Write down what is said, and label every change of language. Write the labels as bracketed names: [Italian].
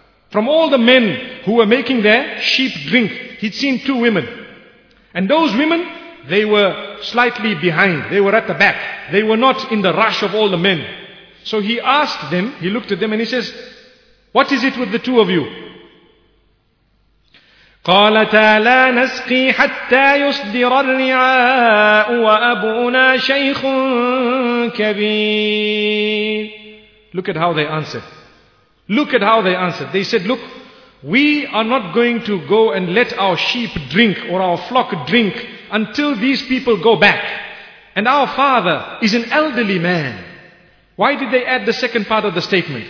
[English] From all the men who were making their sheep drink, he'd seen two women. And those women, they were slightly behind. They were at the back. They were not in the rush of all the men. So he asked them, he looked at them and he says, what is it with the two of you? [Arabic] قالتا لا نسقي حتى يصدر الرعاء وأبونا شيخ كبير. [English] Look at how they answered. Look at how they answered. They said, look, we are not going to go and let our sheep drink or our flock drink until these people go back. And our father is an elderly man. Why did they add the second part of the statement?